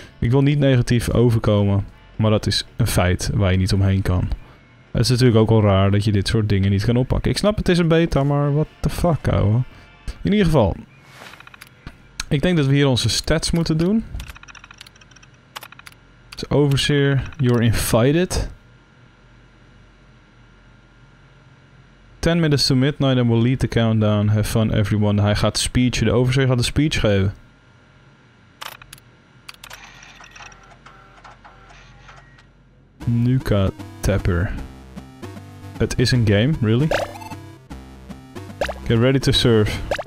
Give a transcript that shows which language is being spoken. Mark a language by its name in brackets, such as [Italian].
[Dutch] Ik wil niet negatief overkomen, maar dat is een feit waar je niet omheen kan. Het is natuurlijk ook wel raar dat je dit soort dingen niet kan oppakken. Ik snap het is een beta, maar [English] what the fuck, [Dutch] ouwe. In ieder geval. Ik denk dat we hier onze stats moeten doen. [English] Dus overseer, you're invited. 10 minutes to midnight and we'll lead the countdown. Have fun everyone. [Dutch] Hij gaat speechen. De overseer gaat de speech geven. Nuka Tapper. Het is een game, really? [English] Get ready to serve.